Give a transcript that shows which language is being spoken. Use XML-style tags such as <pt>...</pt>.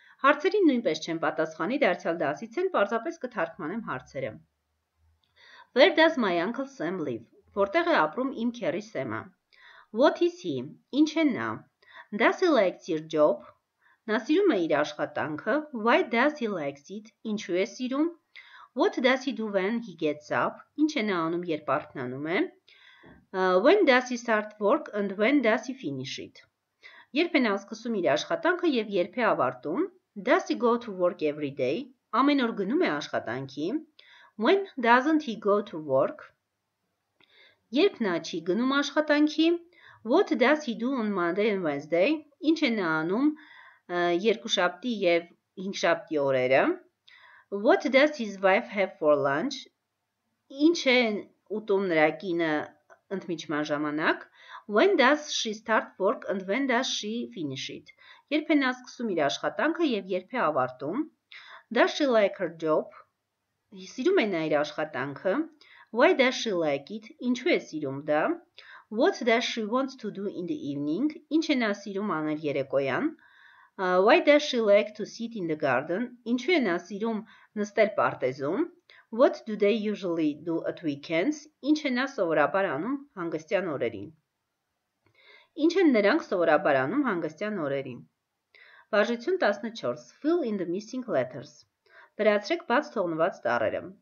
<hy>Հարցերին նույնպես չեմ պատասխանի, դարձյալ դասից են, պարզապես կթարգմանեմ հարցերը.</hy> <en>Where does my uncle Sam live?</en> <hy>Որտեղ է ապրում իմ քերի Սեմը?</hy> <en>What is he?</en> <hy>Ինչ է նա?</hy> <en>Does he like his job?</en> <hy>Նա սիրում է իր աշխատանքը.</hy> <en>Why does he like it?</en> <hy>Ինչու է սիրում?</hy> <en>What does he do when he gets up?</en> <hy>Ինչ է նա անում, երբ արթնանում է?</hy> <en>When does he start work and when does he finish it?</en> <hy>Երբ է նա սկսում իր աշխատանքը և երբ է ավարտում?</hy> <en>Does he go to work every day?</en> <hy>Ամեն օր գնում է աշխատանքի?</hy> <en>When doesn't he go to work?</en> <hy>Երբ նա չի գնում աշխատանքի?</hy> <en>What does he do on Monday and Wednesday?</en> <hy>Ինչ է նա անում 2-7 և 5-7 օրերը?</hy> <en>What does his wife have for lunch?</en> <hy>Ինչ է ուտում նրա կինը ընդմիջման ժամանակ?</hy> <en>When does she start work and when does she finish it?</en> <hy>Երբ է նա սկսում իր աշխատանքը և երբ է ավարտում?</hy> <en>Does she like her job?</en> <hy>Սիրում է նա իր աշխատանքը.</hy> <en>Why does she like it?</en> <hy>Ինչու է սիրում դա?</hy> <en>What does she want to do in the evening?</en> <hy>Ինչ է նա սիրում անել երեկոյան?</hy> <en>Why does she like to sit in the garden?</en> <hy>Ինչու է նա սիրում նստել պարտեզում?</hy> <en>What do they usually do at weekends?</en> <hy>Ինչ է նա սովորաբար անում հանգստյան օրերին? Ինչ են նրանք սովորաբար անում հանգստյան օրերին? Վարժություն 14.</hy> <en>Fill in the missing letters.</en> <hy>Լրացրեք բաց թողնված տառերը.</hy>